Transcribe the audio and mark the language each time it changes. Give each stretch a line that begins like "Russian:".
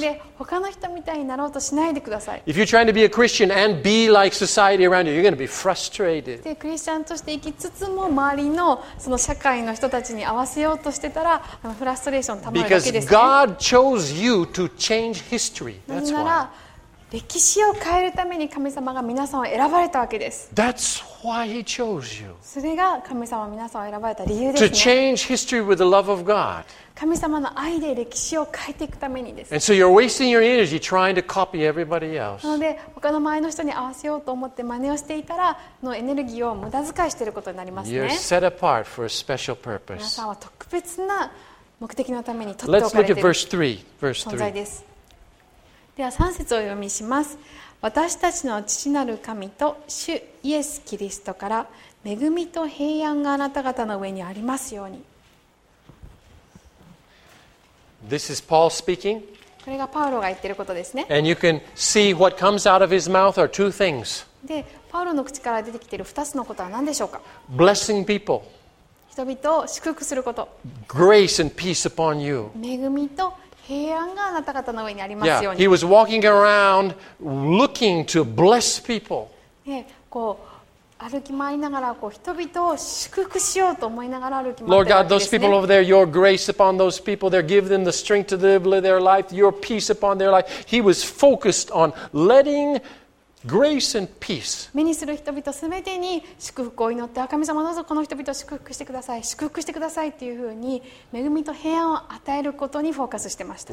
Japanese: で他の人みたいになろうとしないでください。
English: If you're trying to be a Christian and be like society around you, you're going to be frustrated.
Japanese: でクリスチャンとして生きつつも周りのその社会の人たちに合わせようとしてたらあのフラストレーションたまるだけですね。
English: Because God chose you to change history. That's why.
Japanese: 歴史を変えるために神様が皆さんを選ばれたわけです。
English: That's why he chose you.
Japanese: それが神様は皆さんを選ばれた理由ですね。
English: To change history with the love of God.
Japanese: 神様の愛で歴史を変えていくためにです。
English: And so you're wasting your energy trying to copy everybody else.
Japanese: なので他の周りの人に合わせようと思って真似をしていたらのエネルギーを無駄遣いしていることになりますね。
English: You're set apart for a special purpose.
Japanese: 皆さんは特別な目的のために取っておかれている。
English: Let's look at verse 3. Verse 3.
Japanese: 存在です。では3節を読みします。私たちの父なる神と主イエスキリストから恵みと平安があなた方の上にありますように。
English: This is Paul speaking.
Japanese: これがパウロが言っていることですね。
English: And you can see what comes out of his mouth are two things.
Japanese: でパウロの口から出てきている2つのことは何でしょうか。
English: Blessing people.
Japanese: 人々を祝福すること。
English: Grace and peace upon you.
Japanese: 恵みと平安があなた方の上にありますように。
English: Yeah, he was walking around looking to bless people.
Japanese: こう歩き回りながらこう人々を祝福しようと思いながら歩き回ってですね。
English: Lord God, those people over there, your grace upon those people, there, give them the strength to live their life, your peace upon their life. He was focused on letting grace and peace.
Japanese: 目にする人々すべてに祝福を祈って、あ、神様どうぞこの人々を祝福してください、祝福してくださいっていうふうに恵みと平安を与えることにフォーカスしてました。